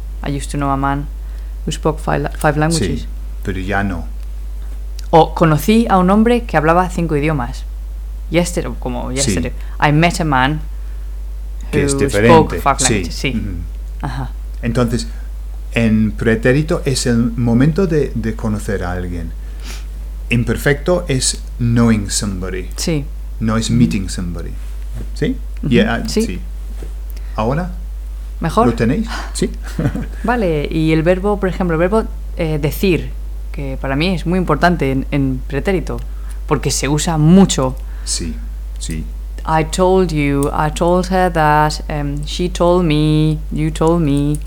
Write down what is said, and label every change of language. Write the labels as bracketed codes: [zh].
[en] I used to know a man who spoke 5 languages. [es] Sí, pero ya no. O conocí a un hombre que hablaba 5 idiomas. [en] Yesterday, como yesterday. [es] Sí. [en] I met a man [es] who que es diferente. [en] Spoke 5 languages. Sí. [es] Sí. Uh-huh. Ajá. Entonces, en pretérito es el momento de conocer a alguien. Imperfecto es [en] knowing somebody. [es] Sí. No es [en] meeting somebody. [es] ¿Sí? Uh-huh. Yeah, sí. Sí. ¿Ahora? ¿Mejor? ¿Lo tenéis? Sí. Vale. Y el verbo, por ejemplo, el verbo decir, que para mí es muy importante en pretérito, porque se usa mucho. Sí, sí. [en] I told you, I told her that, she told me, you told me.